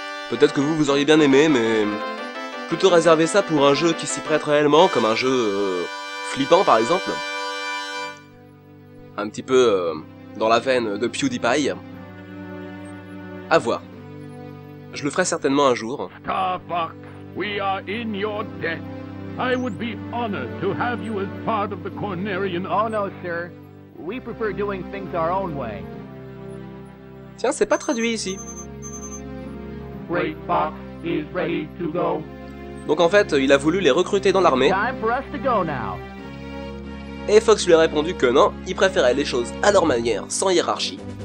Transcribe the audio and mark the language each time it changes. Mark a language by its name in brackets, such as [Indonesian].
[French] Peut-être que vous auriez bien aimé, mais plutôt réserver ça pour un jeu qui s'y prête réellement, comme un jeu flippant, par exemple. un petit peu dans la veine de PewDiePie. À voir. Je le ferai certainement un jour. [English] Starbuck, we are in your debt. I would be honored to have you as part of the Cornerian. Oh no, sir. We prefer doing things our own way. [French] Tiens, c'est pas traduit ici. [English] Great Fox is ready to go. [French] Donc en fait, il a voulu les recruter dans l'armée. [English] It's time for us to go now. [French] Et Fox lui a répondu que non, il préférait les choses à leur manière, sans hiérarchie.